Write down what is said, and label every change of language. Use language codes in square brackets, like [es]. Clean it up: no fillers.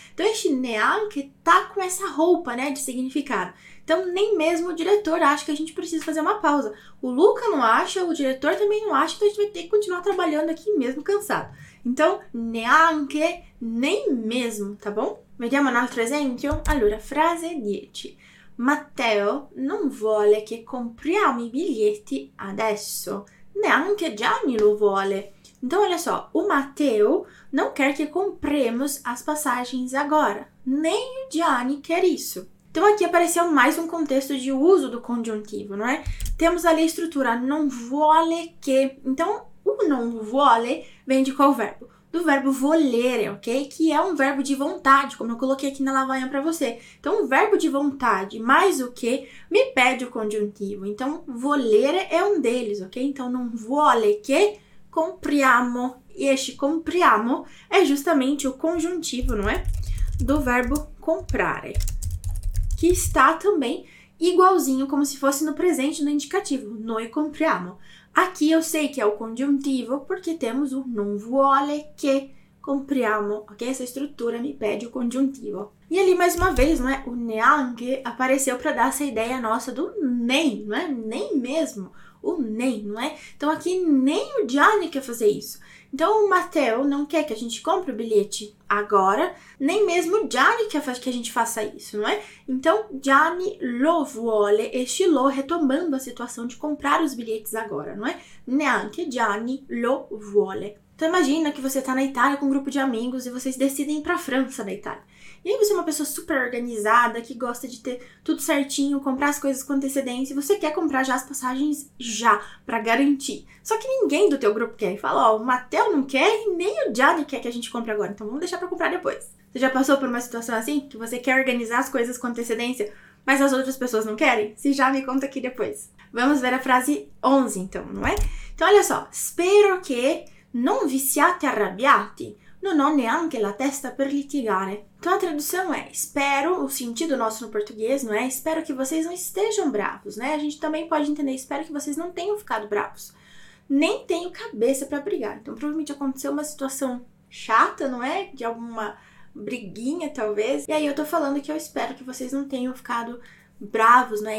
[pt] Então este neanche tá com essa roupa, né, de significado. Então nem mesmo o diretor acha que a gente precisa fazer uma pausa. O Luca não acha, o diretor também não acha, então a gente vai ter que continuar trabalhando aqui mesmo cansado. Então neanche, nem mesmo, tá bom? [it] Vediamo un altro esempio? Allora, frase 10. Matteo non vuole che compriamo i biglietti adesso. Neanche Gianni lo vuole. [pt] Então, olha só. O Matteo non quer che compremos as passagens agora. Nem o Gianni quer isso. Então, aqui apareceu mais um contexto de uso do congiuntivo, não é? Temos ali a estrutura [it] non vuole che. [pt] Então, o non vuole vem de qual verbo? Do verbo volere, ok? Que é um verbo de vontade, como eu coloquei aqui na lavanha para você. Então, um verbo de vontade mais o que me pede o conjuntivo. Então, volere é um deles, ok? Então, [it] non vuole che compriamo. [pt] E este compriamo é justamente o conjuntivo, não é? Do verbo comprare. Que está também igualzinho, como se fosse no presente, no indicativo. [it] Noi compriamo. [pt] Aqui eu sei que é o congiuntivo porque temos o [it] non vuole che compriamo, [pt] ok? Essa estrutura me pede o congiuntivo. E ali, mais uma vez, não é? O neanche apareceu para dar essa ideia nossa do nem, não é? Nem mesmo, o nem, não é? Então, aqui nem o Gianni quer fazer isso. Então, o Matteo não quer que a gente compre o bilhete agora, nem mesmo o Gianni quer que a gente faça isso, não é? Então, [it] Gianni lo vuole, [pt] este lo retomando a situação de comprar os bilhetes agora, não é? [it] Neanche Gianni lo vuole. [pt] Então, imagina que você está na Itália com um grupo de amigos e vocês decidem ir para a França da Itália. E aí você é uma pessoa super organizada, que gosta de ter tudo certinho, comprar as coisas com antecedência, e você quer comprar já as passagens já, pra garantir. Só que ninguém do teu grupo quer. E fala, ó, o Matteo não quer e nem o Gianni quer que a gente compre agora, então vamos deixar pra comprar depois. Você já passou por uma situação assim, que você quer organizar as coisas com antecedência, mas as outras pessoas não querem? Se já, me conta aqui depois. Vamos ver a frase 11, então, não é? Então, olha só. [it] Spero che non vi siate arrabbiati. Non ho neanche la testa per litigare. [pt] Então a tradução é, espero, o sentido nosso no português, não é? Espero que vocês não estejam bravos, né? A gente também pode entender, espero que vocês não tenham ficado bravos. Nem tenho cabeça para brigar. Então provavelmente aconteceu uma situação chata, não é? De alguma briguinha, talvez. E aí eu tô falando que eu espero que vocês não tenham ficado bravos, não é?